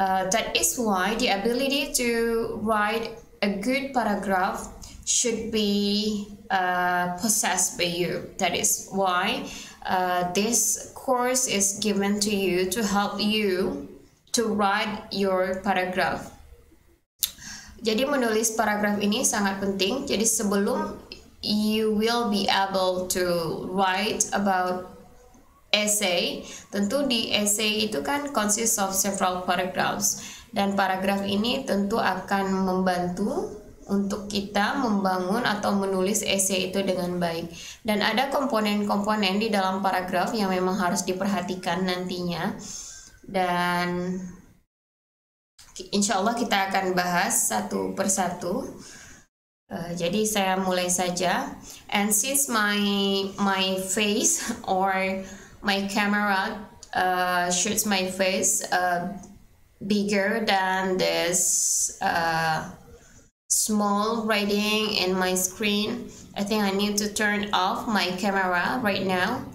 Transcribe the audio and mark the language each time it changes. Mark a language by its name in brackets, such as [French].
[English] That is why the ability to write a good paragraph should be possessed by you. That is why this course is given to you to help you to write your paragraph. [Indonesian] Jadi menulis paragraf ini sangat penting. Jadi sebelum [English] you will be able to write about essay, [Indonesian] tentu di essay itu kan [English] consists of several paragraphs, [Indonesian] dan paragraf ini tentu akan membantu untuk kita membangun atau menulis essay itu dengan baik. Dan ada komponen-komponen di dalam paragraf yang memang harus diperhatikan nantinya, dan Insya Allah kita akan bahas satu per satu. Jadi saya mulai saja. [English] And since my face or my camera shoots my face bigger than this small writing in my screen, I think I need to turn off my camera right now.